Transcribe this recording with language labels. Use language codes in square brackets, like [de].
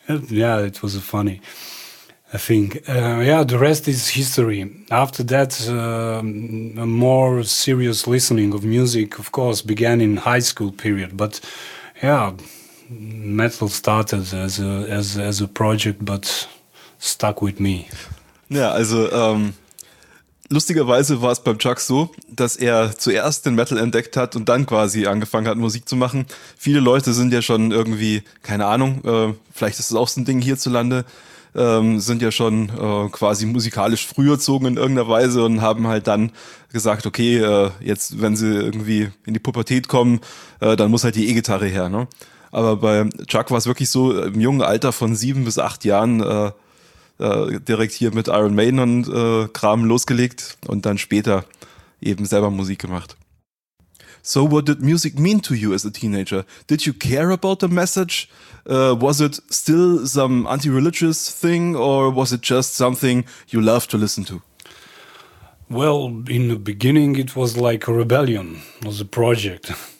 [en] Yeah, it was a funny thing. Yeah, the rest is history. After that, a more serious listening of music, of course, began in high school period. But yeah, metal started as a project, but stuck with me. [de] Ja, also lustigerweise war es beim Chuck so, dass er zuerst den Metal entdeckt hat und dann quasi angefangen hat, Musik zu machen. Viele Leute sind ja schon irgendwie, keine Ahnung, vielleicht ist es auch so ein Ding hierzulande, sind ja schon quasi musikalisch früh erzogen in irgendeiner Weise und haben halt dann gesagt, okay, jetzt, wenn sie irgendwie in die Pubertät kommen, dann muss halt die E-Gitarre her, ne? Aber bei Chuck war es wirklich so, im jungen Alter von 7 bis 8 Jahren direkt hier mit Iron Maiden und Kram losgelegt und dann später eben selber Musik gemacht. [en] So what did music mean to you as a teenager? Did you care about the message? Was it still some anti-religious thing or was it just something you loved to listen to? Well, in the beginning it was like a rebellion, was a project.